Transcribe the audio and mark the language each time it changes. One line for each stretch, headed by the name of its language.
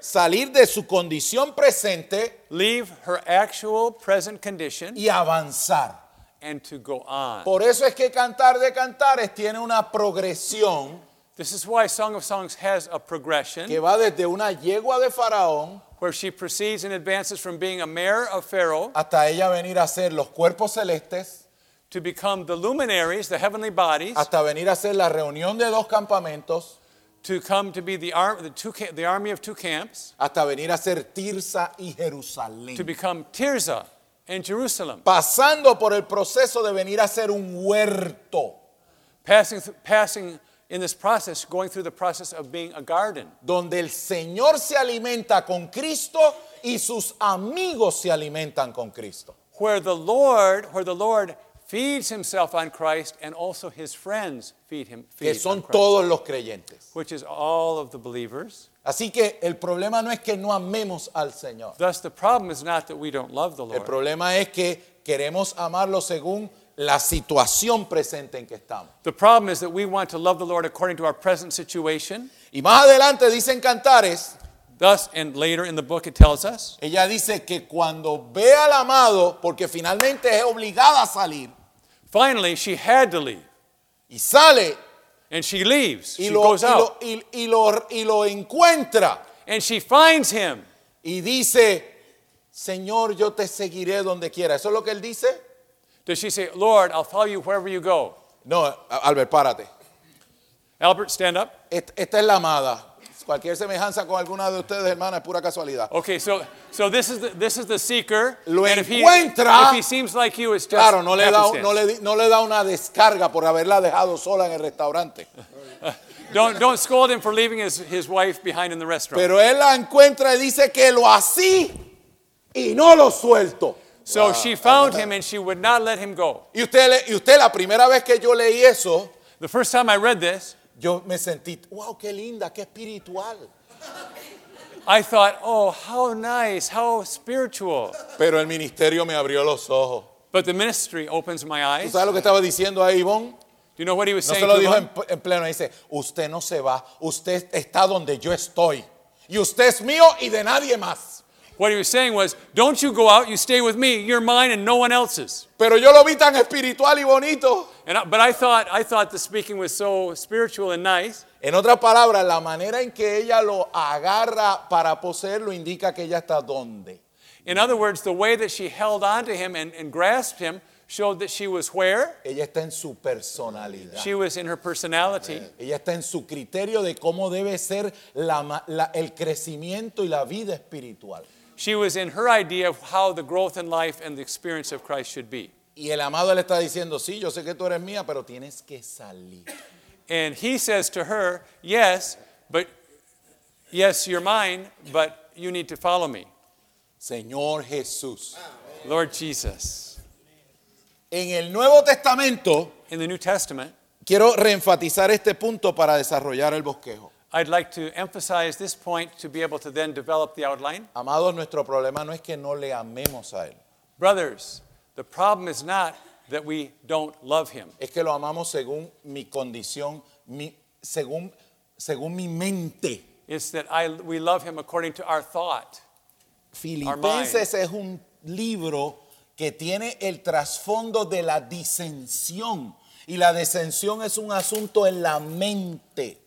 Spanish: salir de su condición presente,
English: leave her actual present condition,
Spanish: y avanzar,
English: and to go on.
Spanish: Por eso es que Cantar de Cantares tiene una progresión.
English: This is why Song of Songs has a progression,
Spanish: que va desde una yegua de faraón,
English: where she proceeds and advances from being a mare of Pharaoh,
Spanish: hasta ella venir a ser los cuerpos celestes,
English: to become the luminaries, the heavenly bodies,
Spanish: hasta venir a ser la reunión de dos campamentos,
English: to come to be the army of two camps,
Spanish: hasta venir a ser Tirsa y Jerusalén,
English: to become Tirsa and Jerusalem,
Spanish: pasando por el proceso de venir a ser un huerto,
English: passing in this process, going through the process of being a garden,
Spanish: donde el Señor se alimenta con Cristo y sus amigos se alimentan con Cristo,
English: where the Lord feeds himself on Christ and also his friends feed him.
Spanish: Que son todos los creyentes.
English: Which is all of the believers.
Spanish: Así que el problema no es que no amemos al Señor.
English: Thus the problem is not that we don't love the Lord.
Spanish: El problema es que queremos amarlo según la situación presente en que estamos.
English: The problem is that we want to love the Lord according to our present situation.
Spanish: Y más adelante dicen Cantares.
English: Thus, and later in the book it tells us,
Spanish: ella dice que cuando ve al amado, porque finalmente es obligada a salir,
English: finally she had to leave,
Spanish: y sale,
English: and she leaves, she goes out,
Spanish: y lo encuentra,
English: and she finds him,
Spanish: y dice, Señor, yo te seguiré donde quiera. ¿Eso es lo que él dice?
English: Does she say, Lord, I'll follow you wherever you go?
Spanish: No, Albert, párate.
English: Albert, stand up.
Spanish: Esta es la amada. Cualquier semejanza con alguna de ustedes, hermana, es pura casualidad.
English: Okay, so this is the seeker.
Spanish: Lo
English: and
Spanish: encuentra.
English: If he seems like you, it's just
Spanish: claro, no le da una descarga por haberla dejado sola en el restaurante.
English: don't scold him for leaving his wife behind in the restaurant.
Spanish: Pero él la encuentra y dice que lo así y no lo suelto.
English: So wow. She found him and she would not let him go.
Spanish: Y usted la primera vez que yo leí eso.
English: The first time I read this.
Spanish: Yo me sentí, wow, qué linda, qué espiritual.
English: I thought, oh, how nice, how spiritual.
Spanish: Pero el ministerio me abrió los ojos.
English: But the ministry opens my eyes.
Spanish: ¿Tú sabes lo que estaba diciendo ahí, Ivonne?
English: Do you know what he was
Spanish: no
English: saying?
Spanish: No se lo dijo en pleno. Dice, usted no se va. Usted está donde yo estoy. Y usted es mío y de nadie más.
English: What he was saying was, don't you go out, you stay with me. You're mine and no one else's.
Spanish: Pero yo lo vi tan espiritual y bonito.
English: But I thought the speaking was so spiritual and nice.
Spanish: En otra palabra, la manera en que ella lo agarra para poseerlo indica que ella está donde.
English: In other words, the way that she held on to him and grasped him showed that she was where?
Spanish: Ella está en su personalidad.
English: She was in her personality.
Spanish: Ella está en su criterio de cómo debe ser el crecimiento y la vida espiritual.
English: She was in her idea of how the growth in life and the experience of Christ should be.
Spanish: Y el amado le está diciendo, sí, yo sé que tú eres mía, pero tienes que salir.
English: And he says to her, yes, you're mine, but you need to follow me.
Spanish: Señor Jesús.
English: Lord Jesus.
Spanish: En el Nuevo Testamento,
English: in the New Testament,
Spanish: quiero reenfatizar este punto para desarrollar el bosquejo.
English: I'd like to emphasize this point to be able to then develop the outline.
Spanish: Amados, nuestro problema no es que no le amemos a él.
English: Brothers, the problem is not that we don't love him.
Spanish: Es que lo amamos según mi condición, según mi mente.
English: It's that we love him according to our thought.
Spanish: Filipenses es un libro que tiene el trasfondo de la disensión. Y la disensión es un asunto en la mente.